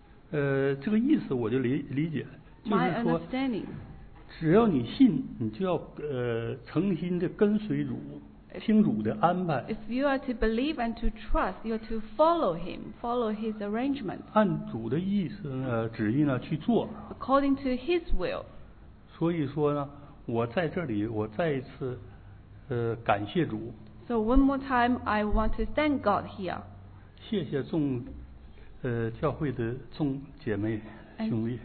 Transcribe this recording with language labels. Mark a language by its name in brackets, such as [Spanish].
[Chinese] 这个意思我就理解，就是说， [English] My understanding. [Chinese] 只要你信，你就要诚心的跟随主，听主的安排。 [English] If you are to believe and to trust, you are to follow him, follow his arrangement. [Chinese] 按主的意思旨意呢去做。 [English] According to his will. [Chinese] 所以说呢，我在这里，我再一次，感谢主。 [English] So one more time, I want to thank God here. [Chinese] 谢谢众，教会的众姐妹兄弟。